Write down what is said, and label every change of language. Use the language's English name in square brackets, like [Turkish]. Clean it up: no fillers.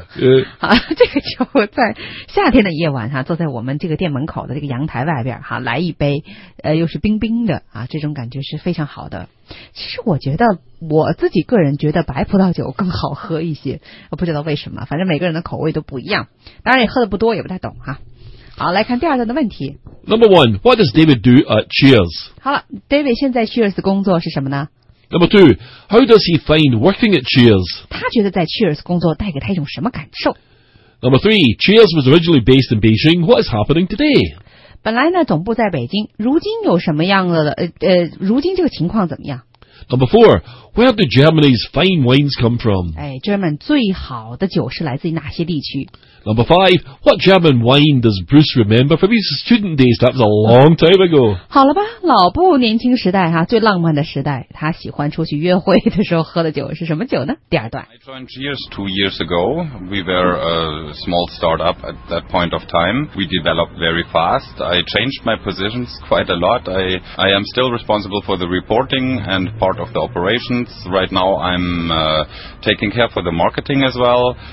[Chinese] 这个就在夏天的夜晚哈，坐在我们这个店门口的这个阳台外边哈，来一杯又是冰冰的啊，这种感觉是非常好的。其实我觉得我自己个人觉得白葡萄酒更好喝一些，我不知道为什么，反正每个人的口味都不一样，当然也喝的不多，也不太懂哈。好，来看第二段的问题。 [English] Number one, what does David do at Cheers? [Chinese] 好了 ,David 现在 Cheers 工作是什么呢？ [English] Number two, how does he find working at Cheers? [Chinese] 他觉得在 Cheers 工作带给他一种什么感受？ [English] Number three, Cheers was originally based in Beijing. What is happening today? [Chinese] 本来呢总部在北京，如今有什么样的如今这个情况怎么样？ [English] Number four, where do Germany's fine wines come from? [Chinese] 哎 ,German 最好的酒是来自于哪些地区？ [English] Number five, what German wine does Bruce remember from his student days? That was a long time ago. [Chinese] 好了吧，老布年轻时代哈，最浪漫的时代，他喜欢出去约会的时候喝的酒是什么酒呢？第二段。 [English] I joined Cheers 2 years ago. We were a small startup at that point of time. We developed very fast. I changed my positions quite a lot. I am still responsible for the reporting and part of the operations. Right now I'm taking care for the marketing as well.